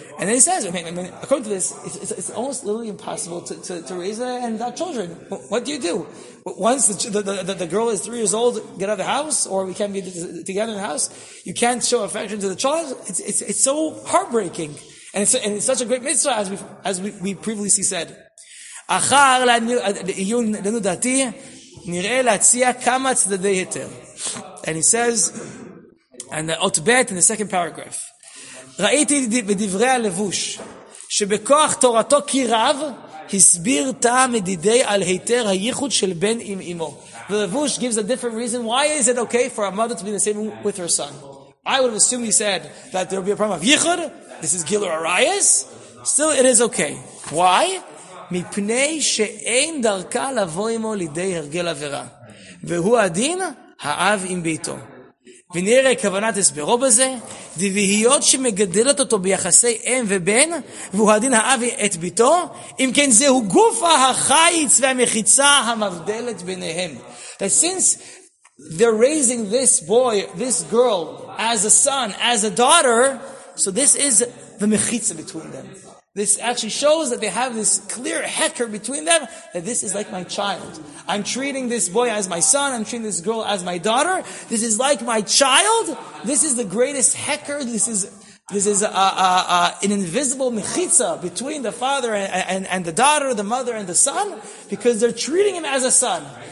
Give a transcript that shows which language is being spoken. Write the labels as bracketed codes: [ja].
[en] And then he says, I mean, according to this, it's almost literally impossible to raise a and adopt children. What do you do? Once the girl is 3 years old, get out of the house, or we can't be together in the house, you can't show affection to the child. It's so heartbreaking. And it's such a great mitzvah, as we previously said. [he] Achar lenu dati, נראה להציע כמה צדדי היתר. [en] And he says, and the [he] אות ב' [en] in the second paragraph, [he] ראיתי בדברי הלבוש, שבכוח תורתו כי רב, הסביר טעם מדידי על היתר הייחוד של בן עם אמו. [en] The לבוש gives a different reason, why is it okay for a mother to be the same with her son? I would have assumed he said, that there will be a problem of ייחוד, this is Gilui Arayos, still it is okay. Why? [he] מפני שאין דרכה לבוא עמו לידי הרגל עבירה. והוא הדין, האב עם ביתו. ונראה כוונת הסברו בזה, דביהיות שמגדלת אותו ביחסי אם ובן, והוא הדין האב את ביתו, אם כן זהו גוף החיץ והמחיצה המבדלת ביניהם. [en] That since they're raising this boy, this girl, as a son, as a daughter, so this is the mechitza between them. This actually shows that they have this clear hecker between them, that this is like my child. I'm treating this boy as my son, I'm treating this girl as my daughter, this is like my child, this is the greatest hecker, this is an invisible mechitza between the father and the daughter, the mother and the son, because they're treating him as a son.